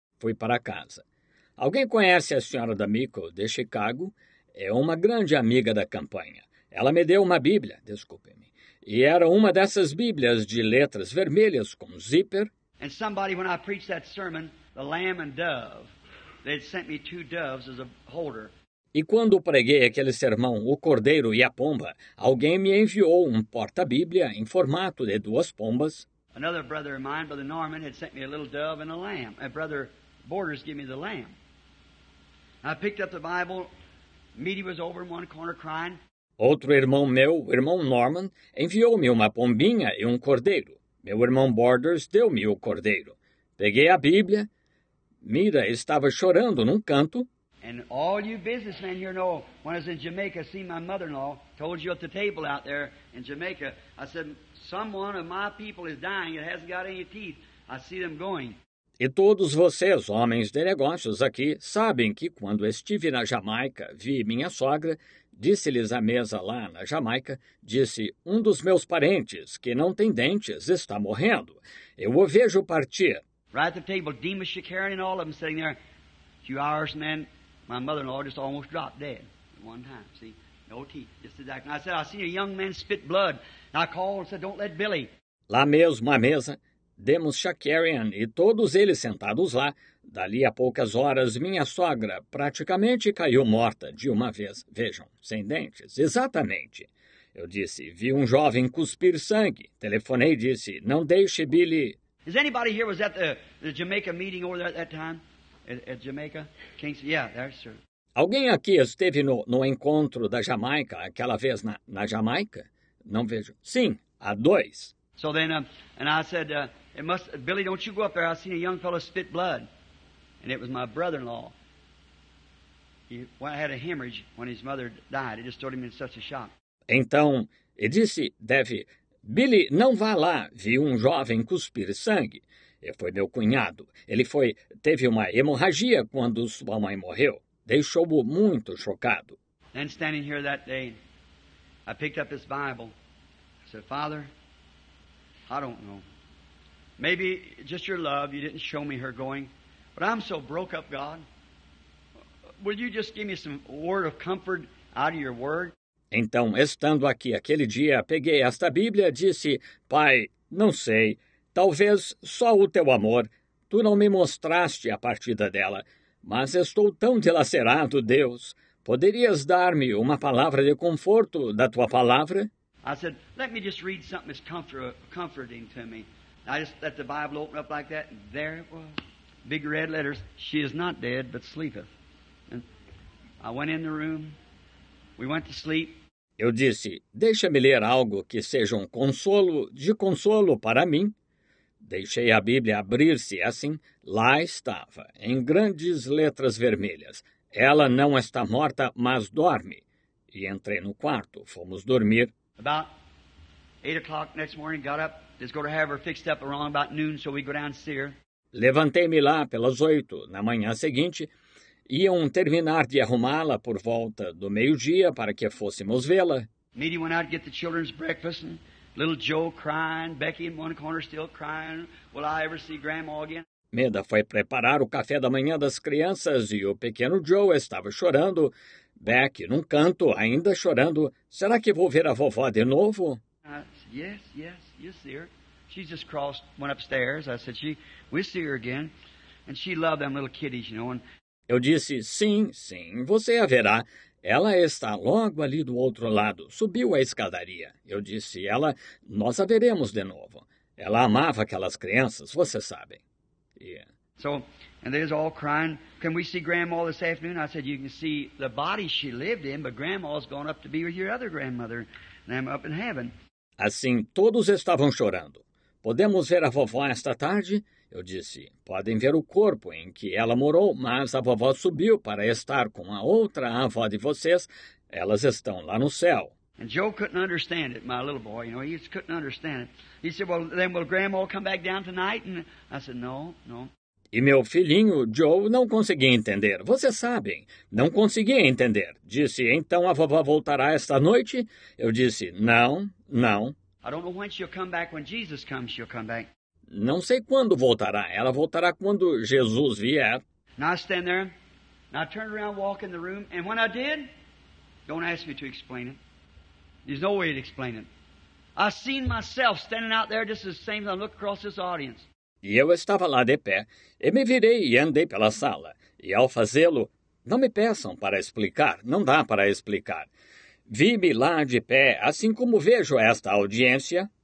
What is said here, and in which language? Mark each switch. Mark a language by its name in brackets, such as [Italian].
[Portuguese] Fui para casa. Alguém conhece a senhora D'Amico de Chicago? É uma grande amiga da campanha. Ela me deu uma Bíblia, desculpe-me. E era uma dessas Bíblias de letras vermelhas com zíper. [English] And somebody, when I preached that sermon, the lamb and dove, they sent me two doves as a holder. [Portuguese] E quando preguei aquele sermão, o cordeiro e a pomba, alguém me enviou um porta-bíblia em formato de duas pombas. [English] Another brother of mine, Brother Norman, had sent me a little dove and a lamb. And Brother Borders gave me the lamb. I picked up the Bible. Meaty was over in one corner crying. [Portuguese] Outro irmão meu, o irmão Norman, enviou-me uma pombinha e um cordeiro. Meu irmão Borders deu-me o cordeiro. Peguei a Bíblia. Mira estava chorando num canto. [English] And all you businessmen here know, when I was in Jamaica, see my mother-in-law, told you at the table out there in Jamaica, I said, someone of my people is dying, it hasn't got any teeth, I see them going. [Portuguese] E todos vocês, homens de negócios aqui, sabem que quando estive na Jamaica, vi minha sogra, disse-lhes à mesa lá na Jamaica, disse, um dos meus parentes, que não tem dentes, está morrendo. Eu o vejo partir. [English] Right at the table, Demas Shikarin and all of them sitting there, a few hours, man, my mother-in-law just almost dropped dead at one time, see? No teeth, just exactly. And I said, I seen a young man spit blood. And I called and said, don't let Billy. [Portuguese] Lá mesmo, à mesa, Demos Shakarian e todos eles sentados lá. Dali a poucas horas, minha sogra praticamente caiu morta de uma vez. Vejam, sem dentes, exatamente. Eu disse, vi um jovem cuspir sangue. Telefonei e disse, não deixe Billy. [English] Is anybody here was at the Jamaica meeting over there at that time? At Jamaica? Kingston? Yeah, there, sir. [Portuguese] Alguém aqui esteve no encontro da Jamaica, aquela vez na Jamaica? Não vejo. Sim, há dois. [English] So then, and I said, it must, Billy, don't you go up there. I seen a young fellow spit blood. And it was my brother-in-law. He had a hemorrhage when his mother died. It just threw him in such a shock. [Portuguese] Então, e disse, deve, Billy, não vá lá. Vi um jovem cuspir sangue. foi meu cunhado. Ele teve uma hemorragia quando sua mãe morreu. Deixou-o muito chocado. [English] Then standing here that day, I picked up his Bible. I said, Father, I don't know. Maybe just your love, you didn't show me her going. But I'm so broke up, God. Will you just give me some word of comfort out of your word? [Portuguese] Então, estando aqui aquele dia, peguei esta Bíblia e disse, Pai, não sei, talvez só o teu amor. Tu não me mostraste a partida dela, mas estou tão dilacerado, Deus. Poderias dar-me uma palavra de conforto da tua palavra? [English] I said, let me just read something that's comforting to me. I just let the Bible open up like that, and there it was. Big red letters, she is not dead, but sleepeth. And I went in the room. We went to sleep. [Portuguese] Eu disse, deixa-me ler algo que seja um consolo, de consolo para mim. Deixei a Bíblia abrir-se assim, lá estava, em grandes letras vermelhas. Ela não está morta, mas dorme. E entrei no quarto, fomos dormir. [English] About 8 o'clock next morning, got up, just go to have her fixed up around about noon, so we go down to see her. [Portuguese] Levantei-me lá pelas 8 na manhã seguinte. Iam terminar de arrumá-la por volta do meio-dia para que fôssemos vê-la. [English] Meady went out to get the children's breakfast, and little Joe crying, Becky in one corner still crying, will I ever see Grandma again? [Portuguese] Meda foi preparar o café da manhã das crianças e o pequeno Joe estava chorando, Becky num canto ainda chorando, será que vou ver a vovó de novo? [English] Said, yes, yes, you see her. She just crossed, went upstairs. I said, we see her again. And she loved them little kitties, you know. And [Portuguese] eu disse, sim, sim, você a verá. Ela está logo ali do outro lado. Subiu a escadaria. Eu disse, ela, nós a veremos de novo. Ela amava aquelas crianças, você sabe. [English] Yeah. So, and they're all crying. Can we see Grandma this afternoon? I said, you can see the body she lived in, but Grandma's gone up to be with your other grandmother. And I'm up in heaven. [Portuguese] Assim, todos estavam chorando. Podemos ver a vovó esta tarde? Eu disse, podem ver o corpo em que ela morou, mas a vovó subiu para estar com a outra avó de vocês. Elas estão lá no céu. [English] And Joe couldn't understand it, my little boy. You know, he just couldn't understand it. He said, well, then will Grandma come back down tonight? And I said, no, no. [Portuguese] E meu filhinho, Joe, não conseguia entender. Vocês sabem, não conseguia entender. Disse, então a vovó voltará esta noite? Eu disse, não, não. [English] I don't know when she'll come back. When Jesus comes, she'll come back. [Portuguese] Não sei quando voltará. Ela voltará quando Jesus vier. [English] Now I stand there. Now I turn around, walk in the room. And when I did, don't ask me to explain it. There's no way to explain it. I seen myself standing out there just the same as I look across this audience. [Portuguese] E eu estava lá de pé. E me virei e andei pela sala. E ao fazê-lo, não me peçam para explicar. Não dá para explicar. Vi-me lá de pé, assim como vejo esta audiência.